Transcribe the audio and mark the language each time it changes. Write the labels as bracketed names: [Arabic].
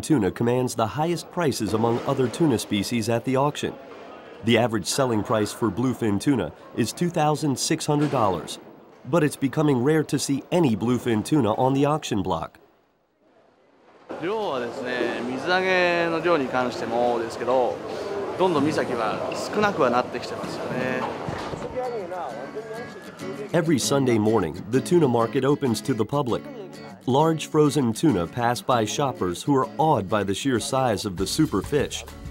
[English] tuna commands the highest prices among other tuna species at the auction. The average selling price for bluefin tuna is $2,600, but it's becoming rare to see any bluefin tuna on the auction block. [Japanese] 量はですね、水揚げの量に関してもですけど。 [English] Every Sunday morning, the tuna market opens to the public. Large frozen tuna pass by shoppers who are awed by the sheer size of the super fish.